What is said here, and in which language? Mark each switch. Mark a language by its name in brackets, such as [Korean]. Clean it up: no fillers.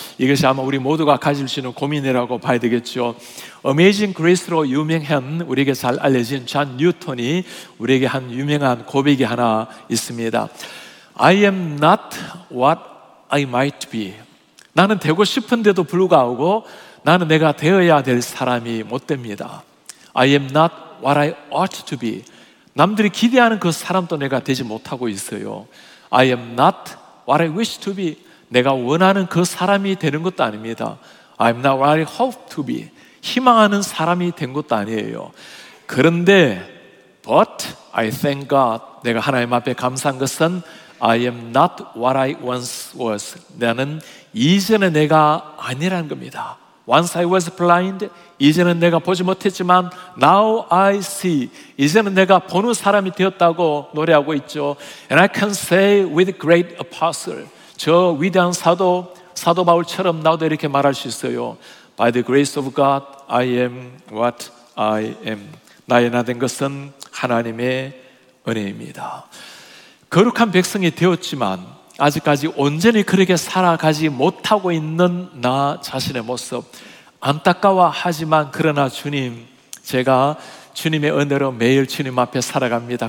[Korean] 이것이 아마 우리 모두가 가질 수 있는 고민이라고 봐야 되겠죠. Amazing Grace로 유명한 우리에게 잘 알려진 존 뉴턴이 우리에게 한 유명한 고백이 하나 있습니다. [English] I am not what I might be. [Korean] 나는 되고 싶은데도 불구하고 나는 내가 되어야 될 사람이 못 됩니다. [English] I am not what I ought to be. [Korean] 남들이 기대하는 그 사람도 내가 되지 못하고 있어요. [English] I am not what I wish to be. [Korean] 내가 원하는 그 사람이 되는 것도 아닙니다. [English] I am not what I hope to be. [Korean] 희망하는 사람이 된 것도 아니에요. 그런데 [English] But I thank God. [Korean] 내가 하나님 앞에 감사한 것은 [English] I am not what I once was. [Korean] 나는 이전에 내가 아니라는 겁니다. [English] Once I was blind, [Korean] 이제는 내가 보지 못했지만 [English] Now I see, [Korean] 이제는 내가 보는 사람이 되었다고 노래하고 있죠. [English] And I can say with great apostle, [Korean] 저 위대한 사도 바울처럼 나도 이렇게 말할 수 있어요. [English] By the grace of God, I am what I am. [Korean] 나의 나된 것은 하나님의 은혜입니다. 거룩한 백성이 되었지만 아직까지 온전히 그렇게 살아가지 못하고 있는 나 자신의 모습, 안타까워하지만 그러나 주님, 제가 주님의 은혜로 매일 주님 앞에 살아갑니다.